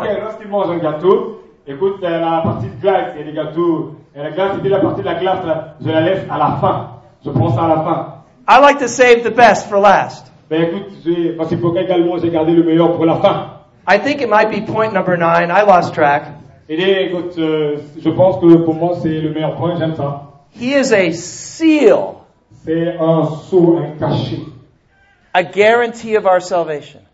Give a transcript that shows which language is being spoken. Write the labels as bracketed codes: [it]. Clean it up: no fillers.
[fr] Okay, lorsque je mange un gâteau, écoute, la partie de glace, il y a des gâteaux, et la glace, c'est la partie de la glace, je la laisse à la fin. Je prends ça à la fin. [en] I like to save the best for last. [fr] Ben écoute, parce qu'il faut également j'ai gardé le meilleur pour la fin. [en] I think it might be point number 9. I lost track. [fr] Et bien, écoute, je pense que pour moi c'est le meilleur point. J'aime ça. [en] He is a seal. [fr] C'est un sceau, un cachet. [en] A guarantee of our salvation.